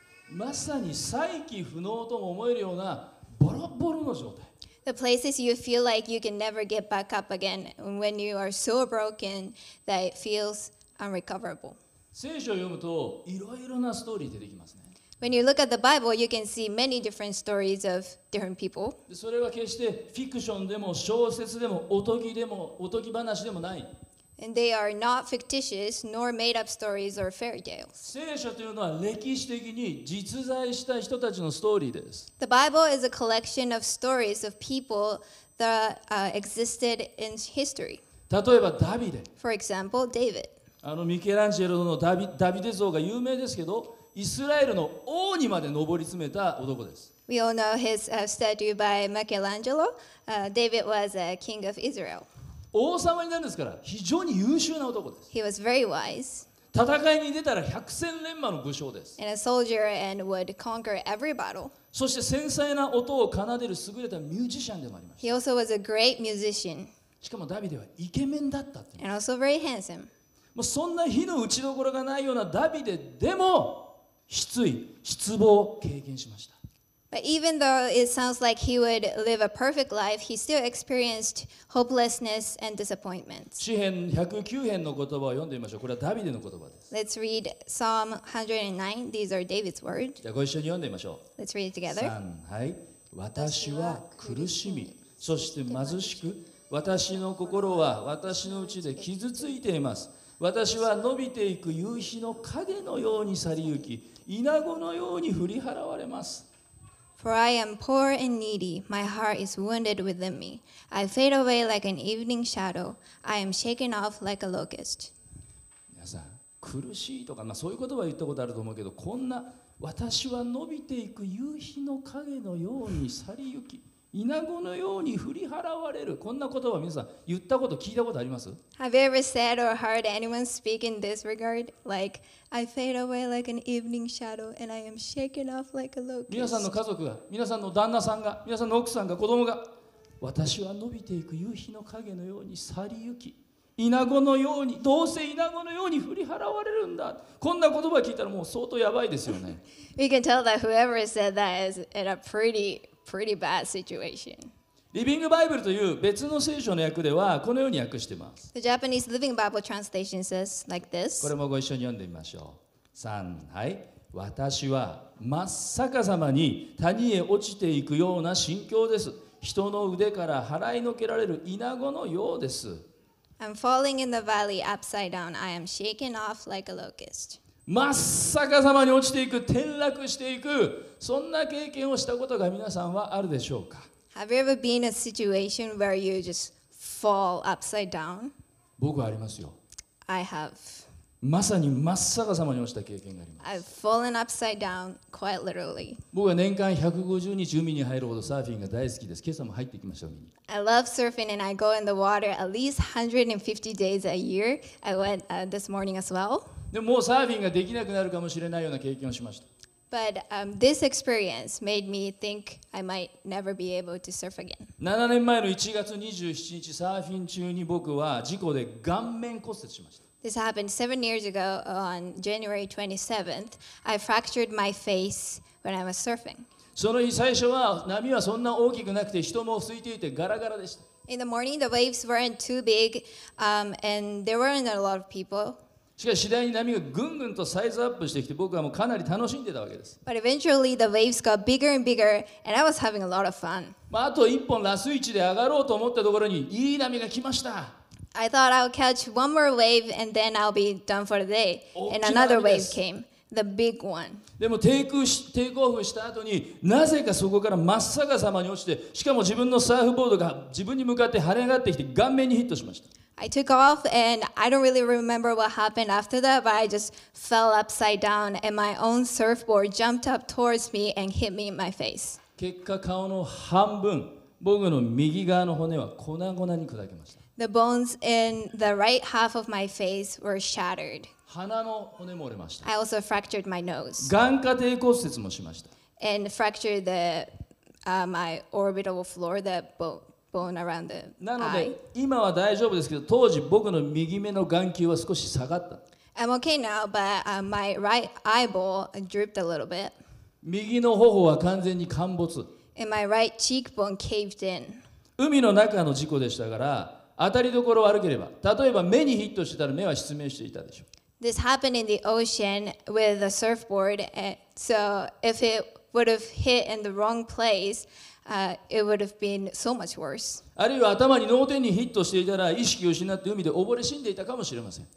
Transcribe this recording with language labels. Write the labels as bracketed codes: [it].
[ja] まさに再起不能とも思えるようなボロボロの状態。 [en] The places you feel like you can never get back up again when you are so broken that it feels unrecoverable. [ja] 聖書を読むといろいろなストーリー出てきますね。 [en] When you look at the Bible, you can see many different stories of different people. [ja] それは決してフィクションでも小説でもおとぎでもおとぎ話でもない。 [en] And they are not fictitious nor made up stories or fairy tales. [ja] 聖書というのは歴史的に実在した人たちのストーリーです。 [en] The Bible is a collection of stories of people that existed in history. [ja] 例えばダビデ。 [en] For example, David. [ja] あのミケランジェロのダビデ像が有名ですけど、イスラエルの王にまで上り詰めた男です。 [en] We all know his statue by Michelangelo. David was a king of Israel. [ja] 王様になるんですから、非常に優秀な男です。 [en] He was very wise. [ja] 戦いに出たら百戦錬磨の武将です。 [en] And a soldier and would conquer every battle. [ja] そして繊細な音を奏でる優れたミュージシャンでもあります。 [en] He also was a great musician. [ja] しかもダビデはイケメンだったって。 [en] And also very handsome. [ja] もうそんな火の打ち所がないようなダビデでも、失意、失望を経験しました。 [en] But even though it sounds like he would live a perfect life, he still experienced hopelessness and disappointment. [ja] 詩編109編の言葉を読んでみましょう。これはダビデの言葉です。 [en] Let's read Psalm 109. These are David's words. [ja] じゃあご一緒に読んでみましょう。 [en] Let's read it together. [ja] 3、はい。私は苦しみ、そして貧しく、私の心は私のうちで傷ついています。私は伸びていく夕日の影のように去りゆき、イナゴのように振り払われます。 [en] For I am poor and needy, my heart is wounded within me. I fade away like an evening shadow. I am shaken off like a locust. [ja] 皆さん、苦しいとか、まあ、そういう言葉は言ったことあると思うけど、こんな私は伸びていく夕日の影のように去りゆき、イナゴのように振り払われる、こんな言葉皆さん言ったこと聞いたことあります？ [en] Have you ever said or heard anyone speak in this regard? Like, I fade away like an evening shadow and I am shaken off like a locust. [ja] 皆さんの家族が、皆さんの旦那さんが、皆さんの奥さんが、子供が、私は伸びていく夕日の影のように去りゆき、イナゴのように、どうせイナゴのように振り払われるんだ、こんな言葉聞いたらもう相当やばいですよね。 [en] We can tell that whoever said that is in a pretty bad situation. [ja] Living Bible という別の聖書の訳ではこのように訳しています。 [en] The Japanese Living Bible translation says like this. [ja] これもご一緒に読んでみましょう。3、はい。私は真っ逆さまに谷へ落ちていくような心境です。人の腕から払いのけられるイナゴのようです。 [en] I'm falling in the valley upside down. I am shaken off like a locust. [ja] 真っ逆さまに落ちていく、転落していく、そんな経験をしたことが皆さんはあるでしょうか。 [en] Have you ever been in a situation where you just fall upside down? [ja] 僕はありますよ。 [en] I have. [ja] まさに真っ逆さまに落ちた経験があります。 [en] I've fallen upside down quite literally. [ja] 僕は年間150日海に入るほどサーフィンが大好きです。今朝も入ってきました、海に。 [en] I love surfing and I go in the water at least 150 days a year. I went this morning as well. [ja] でももうサーフィンができなくなるかもしれないような経験をしました。 [en] But, this experience made me think I might never be able to surf again. [ja] 7年前の1月27日、サーフィン中に僕は事故で顔面骨折しました。 [en] This happened 7 years ago on January 27th. I fractured my face when I was surfing. [ja] その日最初は波はそんな大きくなくて人も空いていてガラガラでした。 [en] In the morning, the waves weren't too big, and there weren't a lot of people. [ja] しかし次第に波がぐんぐんとサイズアップしてきて、僕はもうかなり楽しんでたわけです。 [en] But eventually the waves got bigger and bigger, and I was having a lot of fun. [ja] まああと一本ラス位置で上がろうと思ったところにいい波が来ました。 [en] I thought I'll catch one more wave and then I'll be done for the day. And another wave came. the big one. [ja] でもテイクオフした後になぜかそこから真っ逆さまに落ちて、しかも自分のサーフボードが自分に向かって跳ね上がってきて顔面にヒットしました。 [en] I took off and I don't really remember what happened after that, but I just fell upside down and my own surfboard jumped up towards me and hit me in my face. [ja] 結果顔の半分、僕の右側の骨は粉々に砕けました。 [en] The bones in the right half of my face were shattered. [ja] 鼻の骨も折れました。 [en] I also fractured my nose. [ja] 眼窩底骨折もしました。 [en] And fractured my orbital floor, the bone around the eye. [ja] なので今は大丈夫ですけど、当時僕の右目の眼球は少し下がった。 [en] I'm okay now, but my right eyeball drooped a little bit. [ja] 右の頬は完全に陥没。 [en] And my right cheekbone caved in. [ja] 海の中の事故でしたから、当たりどころ悪ければ、例えば目にヒットしてたら目は失明していたでしょう。 [en] This happened in the ocean with a surfboard, so if it would have hit in the wrong place, it would have been so much worse. [ja] あるいは頭に脳天にヒットしていたら意識を失って海で溺れ死んでいたかもしれません。